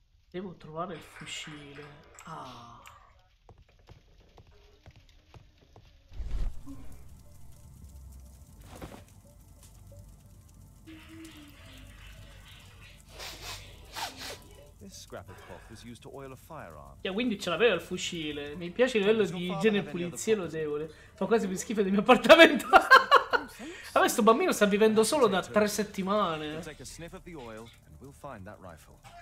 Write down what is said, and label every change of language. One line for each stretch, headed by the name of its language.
Italian: Devo trovare il fucile.
English: This scrap of cloth was used to oil a firearm.
Italian: Yeah, quindi ce l'aveva il fucile. Mi piace il livello di igiene e pulizia lodevole. Fa quasi più schifo del mio appartamento. Ah, questo bambino sta vivendo solo da 3 settimane.
English: Take a sniff of the oil and we'll find that rifle.